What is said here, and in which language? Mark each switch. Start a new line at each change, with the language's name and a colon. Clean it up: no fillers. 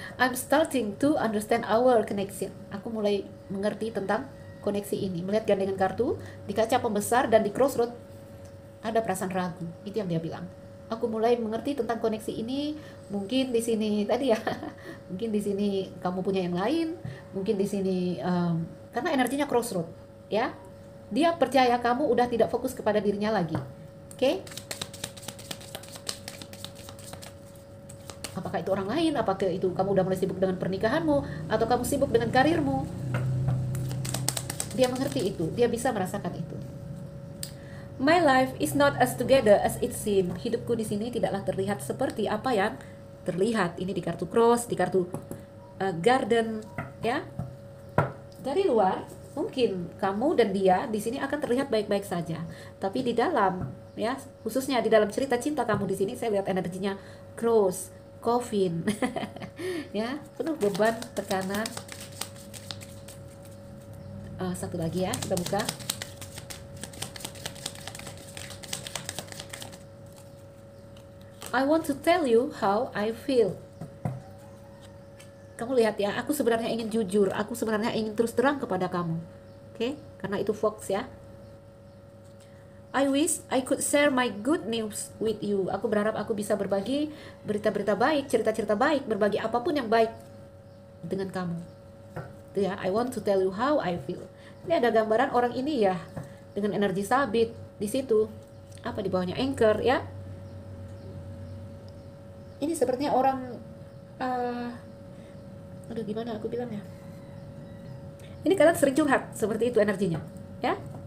English: I'm starting to understand our connection.
Indonesian: Aku mulai mengerti tentang koneksi ini. Melihat gandengan kartu di kaca pembesar dan di crossroad, ada perasaan ragu. Itu yang dia bilang. Aku mulai mengerti tentang koneksi ini. Mungkin di sini tadi ya. Mungkin di sini kamu punya yang lain. Mungkin di sini karena energinya crossroad, ya. Dia percaya kamu udah tidak fokus kepada dirinya lagi. Oke? Okay? Apakah itu orang lain? Apakah itu kamu udah mulai sibuk dengan pernikahanmu atau kamu sibuk dengan karirmu? Dia mengerti itu, dia bisa merasakan itu.
English: My life is not as together as it seems.
Indonesian: Hidupku di sini tidaklah terlihat seperti apa yang terlihat. Ini di kartu cross, di kartu garden, ya. Dari luar mungkin kamu dan dia di sini akan terlihat baik-baik saja, tapi di dalam, ya, khususnya di dalam cerita cinta kamu di sini, saya lihat energinya cross, coffin, ya, penuh beban, tekanan. Satu lagi ya, kita buka.
English: I want to tell you how I feel.
Indonesian: Kamu lihat ya, aku sebenarnya ingin jujur, aku sebenarnya ingin terus terang kepada kamu. Oke, okay? Karena itu Fox ya.
English: I wish I could share my good news with you.
Indonesian: Aku berharap aku bisa berbagi berita-berita baik, cerita-cerita baik, berbagi apapun yang baik dengan kamu. Itu ya,
English: I want to tell you how I feel.
Indonesian: Ini ada gambaran orang ini ya, dengan energi sabit di situ. Apa di bawahnya? Anchor ya. Ini sepertinya orang aduh gimana aku bilang ya. Ini kalian sering curhat, seperti itu energinya, ya.